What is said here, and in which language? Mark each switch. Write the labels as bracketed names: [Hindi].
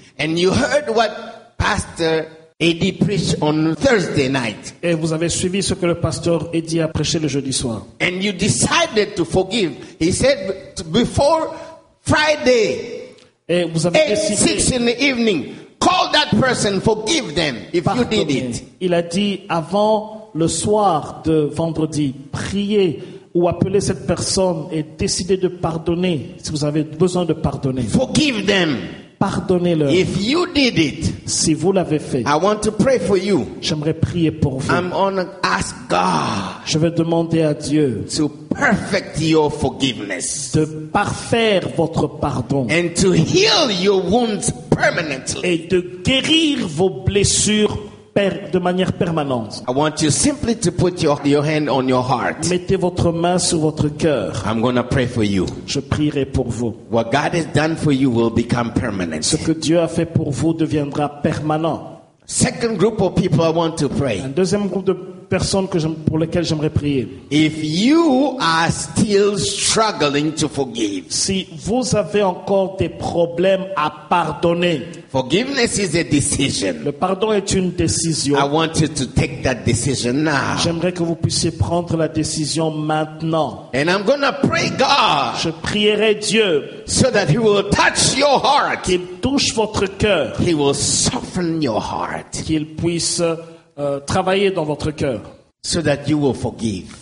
[English] And you heard what Pastor Eddie preached on Thursday night. [French] Et vous avez suivi ce que le pasteur Eddie a prêché le jeudi soir. [English] And you decided to forgive. He said before Friday. [French] Et vous avez [English] décidé. 6 in the evening. Call that person, forgive them if you did it. [French] Il a dit avant le soir de vendredi, priez ou appelez cette personne et décidez de pardonner si vous avez besoin de pardonner. [English] Forgive them. [French] Pardonnez-leur. [English] If you did it, [French] si vous l'avez fait, [English] I want to pray for you. [French] J'aimerais prier pour vous. [English] I'm gonna ask God. [French] Je vais demander à Dieu [English] to perfect your forgiveness. [French] De parfaire votre pardon. [English] And to heal your wounds permanently. [French] Et de guérir vos blessures de manière permanente. [English] I want you simply to put your hand on your heart. [French] Mettez votre main sur votre cœur. [English] I'm going to pray for you. [French] Je prierai pour vous. [English] What God has done for you will become permanent. [French] Ce que Dieu a fait pour vous deviendra permanent. [English] Second group of people I want to pray. [French] Un deuxième groupe de personnes pour lesquelles j'aimerais prier. [English] If you are still struggling to forgive. [French] Si vous avez encore des problèmes à pardonner. [English] Forgiveness is a decision. [French] Le pardon est une décision. [English] I want you to take that decision now. [French] J'aimerais que vous puissiez prendre la décision maintenant. [English] And I'm going to pray God. [French] Je prierai Dieu. [English] So that he will touch your heart. [French] Qu'il touche votre cœur. [English] He will soften your heart. [French] Qu'il puisse travailler dans votre cœur. [English] So that you will forgive.